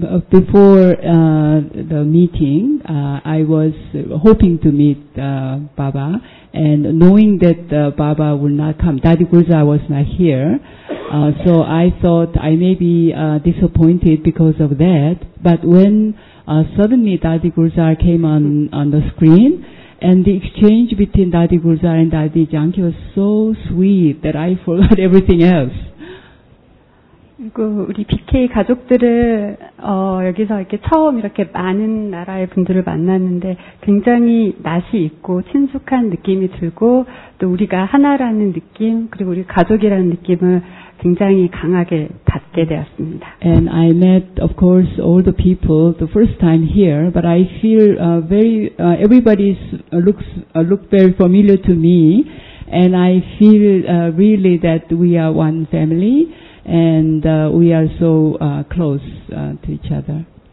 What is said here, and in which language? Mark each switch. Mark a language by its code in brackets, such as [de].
[en] Before the meeting, I was hoping to meet Baba, and knowing that Baba would not come, Daddy Gurja was not here, so I thought I may be disappointed because of that. But when suddenly Daddy Gurja came on the screen, and the exchange between Daddy Gurja and Daddy Janki was so sweet that I forgot everything else. [ko] 그리고 우리 BK 가족들을 여기서 이렇게 처음 이렇게 많은 나라의 분들을 만났는데 굉장히 낯이 익고 친숙한 느낌이 들고 또 우리가 하나라는 느낌 그리고 우리 가족이라는 느낌을 굉장히 강하게 받게 되었습니다. [en] And I met, of course, all the people the first time here, but I feel everybody looks very familiar to me, and I feel really that we are one family. And we are so close to each other.